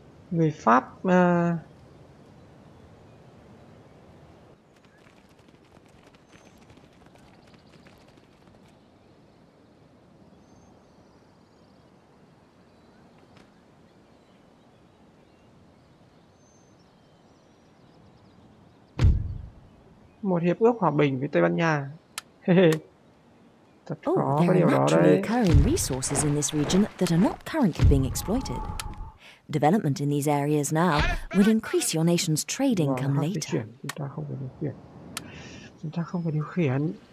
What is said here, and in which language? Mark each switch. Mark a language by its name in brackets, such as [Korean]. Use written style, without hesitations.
[Vietnamese] Người Pháp một hiệp ước hòa bình với Tây Ban Nha. Thật khó có điều đó đấy. [English] Occurring resources in this region that are not currently being exploited. Development in these areas now will increase your nation's trade income later. [Vietnamese] Chúng ta không phải điều khiển. Chúng ta không phải điều khiển.